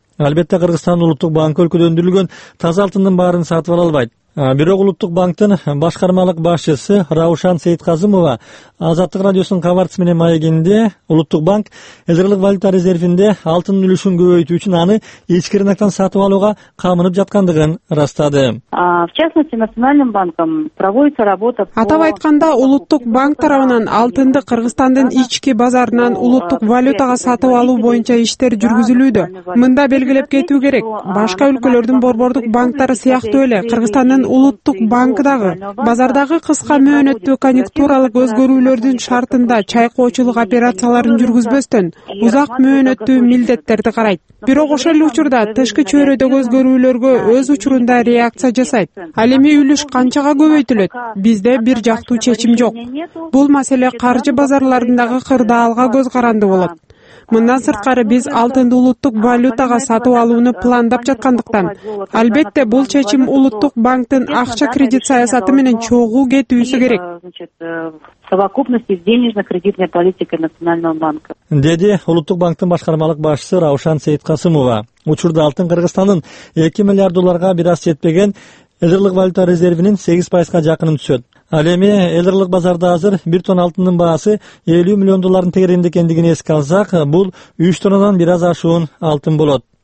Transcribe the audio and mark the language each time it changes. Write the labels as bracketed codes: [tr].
[ky] Албетте, Кыргызстандын улуттук банкы өлкөдө өндүрүлгөн таза алтындын баарын сатып ала албайт. Бирок улуттук банктын башкармалык башчысы Раушан Сейитказымова Азаттык радиосунун кабарчысы менен маегинде улуттук банк эл аралык валюта резервинде алтын үлүшүн көбөйтүү үчүн аны ички рынктан сатып алууга камынып жаткандыгын ырастады. [ru] В частности, Национальным банком проводится работа. [ky] Атап айтканда, улуттук банк тарабынан алтынды Кыргызстандын ички базарынан улуттук валютага сатып алуу боюнча иштер жүргүзүлүүдө. Мында белгилеп кетүү керек, башка өлкөлөрдүн борбордук банктары сыяктуу эле Кыргызстандын улуттук банкы дагы базардагы кыска мөөнөттүү конъюнктуралык өзгөрүүлөрдүн шартында чайкоочулук операцияларын жүргүзбөстөн узак мөөнөттүү милдеттерди карайт. Бирок ошол эле учурда тышкы чөйрөдөгү өзгөрүүлөргө өз учурунда реакция жасайт. Ал эми үлүш канчага көбөйтүлөт? Бизде бир жактуу чечим жок. Бул маселе каржы базарларындагы кырдаалга көз каранды болот. Мындан сырткары биз алтынды улуттук валютага сатып алууну пландап жаткандыктан, албетте бул чечим улуттук банктын акча кредит саясаты менен чогуу кетүүсү керек. [ru] Совокупности с денежно-кредитной политикой Национального банка. [ky] Деди Улуттук банктын башкармалык башчысы Раушан Сейткасымова. Учурда алтын Кыргызстандын 2 миллиард долларга бир аз жетпеген эллык валюта резервинин 8% жакынын түшөт. Ал эми эллык базарда азыр 1 тонна алтындын баасы 50 миллион доллардын тегерегинде экендигин эске алсак, бул 3 тоннадан бир аз ашуун алтын болот.